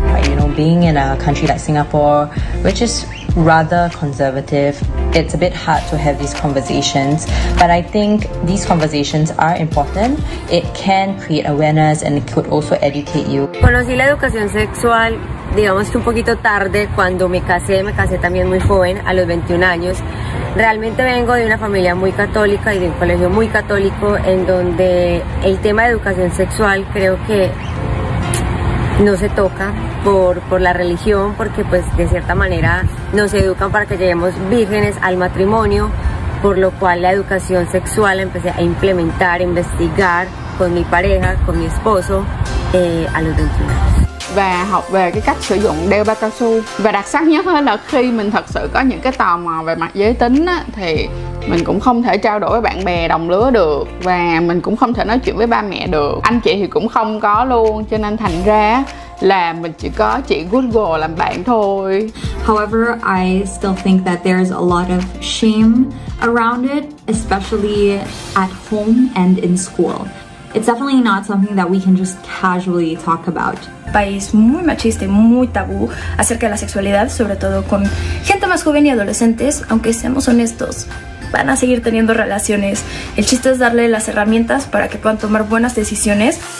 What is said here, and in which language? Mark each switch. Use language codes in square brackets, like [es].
[en] You know, being in a country like Singapore, which is rather conservative. It's a bit hard to have these conversations, but I think these conversations are important. It can create awareness and it could also educate you. [es] Conocí la educación sexual, digamos que un poquito tarde, cuando me casé también muy joven, a los 21 años. Realmente vengo de una familia muy católica y de un colegio muy católico, en donde el tema de educación sexual creo que no se toca. Por la religión, porque pues de cierta manera nos educan para que lleguemos vírgenes al matrimonio, por lo cual la educación sexual empecé a implementar, a investigar con mi pareja, con mi esposo, a los 21 años. [vi] Và học về cái cách sử dụng đeo bao cao su. Và đặc sắc nhất là khi mình thật sự có những cái tò mò về mặt giới tính á, thì mình cũng không thể trao đổi với bạn bè đồng lứa được và mình cũng không thể nói chuyện với ba mẹ được. Anh chị thì cũng không có luôn, cho nên thành raLà mình chỉ có chị Google làm bạn thôi. [en] However, I still think that there's a lot of shame around it, especially at home and in school. It's definitely not something that we can just casually talk about. [es] País muy machista y muy tabú acerca de la sexualidad, sobre todo con gente más joven y adolescentes, aunque seamos honestos, van a seguir teniendo relaciones. El chiste es darle las herramientas para que puedan tomar buenas decisiones.